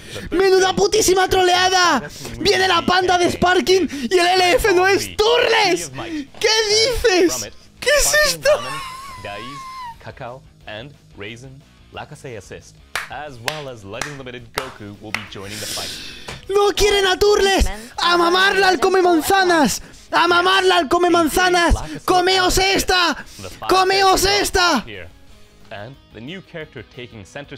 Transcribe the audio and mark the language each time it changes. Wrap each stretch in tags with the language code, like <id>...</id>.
<es>¡Menuda putísima troleada! ¡Viene la panda de Sparking y el LF no es Turles! ¿Qué dices? ¿Qué es esto?</es> <en>Daiz, cacao, and raisin, lakase assist, as well as Legend Limited Goku will be joining the fight.</en> <es>¡No quieren a Turles! ¡A mamarla al come manzanas! ¡A mamarla al come manzanas! ¡Comeos esta! ¡Comeos esta!</es> <en>And the new character taking center</en>